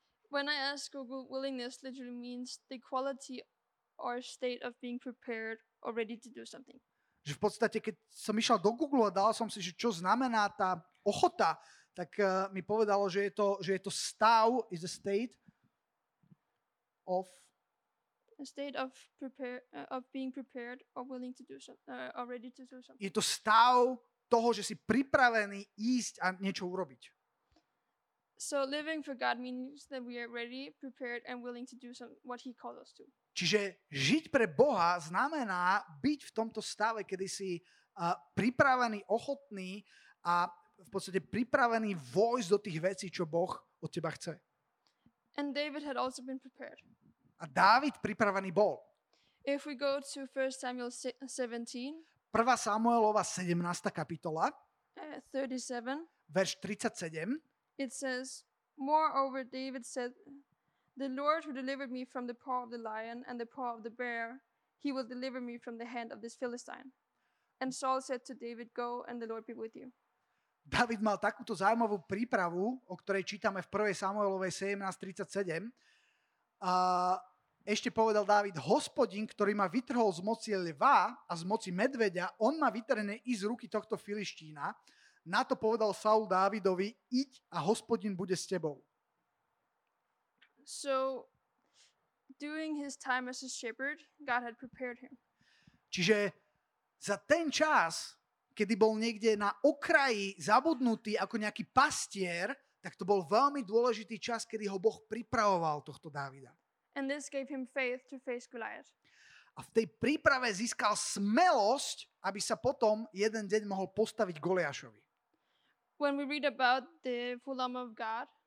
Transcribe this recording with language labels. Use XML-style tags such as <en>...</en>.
<en>When I ask Google, willingness literally means the quality or state of being prepared or ready to do something.</en> <sk>Že v podstate, keď som išiel do Google a dal som si, že čo znamená tá ochota, tak mi povedalo, že je to stav,</sk> <en>is a state of... A state of being prepared or willing to do something, or ready to do something.</en> <sk>Je to stav toho, že si pripravený ísť a niečo urobiť.</sk> <en>So living for God means that we are ready, prepared and willing to do what he calls us to.</en> <sk>Čiže žiť pre Boha znamená byť v tomto stave, kedy si pripravený, ochotný a v podstate pripravený vojsť do tých vecí, čo Boh od teba chce.</sk> <en>And David had also been prepared.</en> <sk>A Dávid pripravený bol.</sk> <en>If we go to 1 Samuel 17.</en> <sk>1. Samuelova 17. kapitola.</sk> <en>37.</en> <sk>Verš 37.</sk> <en>It says, moreover, David said, the Lord who delivered me from the paw of the lion and the paw of the bear, he will deliver me from the hand of this Philistine. And Saul said to David, go and the Lord be with you.</en> <sk>David mal takúto zaujímavú prípravu, o ktorej čítame v 1. Samuelovej 17.37. A ešte povedal David, Hospodin, ktorý ma vytrhol z moci lva a z moci medveďa, on ma vytrhne i z ruky tohto filištína. Na to povedal Saul Dávidovi, iď a Hospodin bude s tebou.</sk> <en>So, during his time as a shepherd, God had prepared him.</en> <sk>Čiže za ten čas, kedy bol niekde na okraji zabudnutý ako nejaký pastier, tak to bol veľmi dôležitý čas, kedy ho Boh pripravoval, tohto Dávida.</sk> <en>And this gave him faith to face Goliath.</en> <sk>A v tej príprave získal smelosť, aby sa potom jeden deň mohol postaviť Goliášovi.</sk> <en>When we read about the full armor of God.</en>